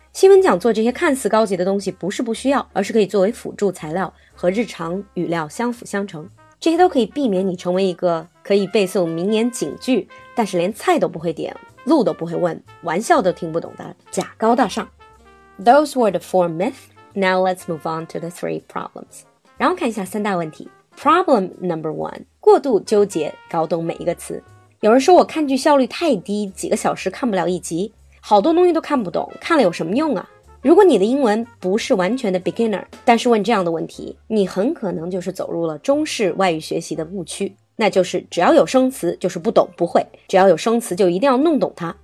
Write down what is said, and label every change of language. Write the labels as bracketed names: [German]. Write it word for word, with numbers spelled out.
[Chinese] 新闻讲座这些看似高级的东西不是不需要，而是可以作为辅助材料，和日常语料相辅相成。这些都可以避免你成为一个可以背诵名言警句，但是连菜都不会点，路都不会问，玩笑都听不懂的假高大上。 [English] Those were the four myths. Now let's move on to the three problems. [Chinese] 然后看一下三大问题。 [English] Problem number one， [Chinese] 过度纠结，搞懂每一个词。有人说我看剧效率太低，几个小时看不了一集，好多东西都看不懂，看了有什么用啊？如果你的英文不是完全的 beginner， 但是问这样的问题，你很可能就是走入了中式外语学习的误区，那就是只要有生词就是不懂不会，只要有生词就一定要弄懂它。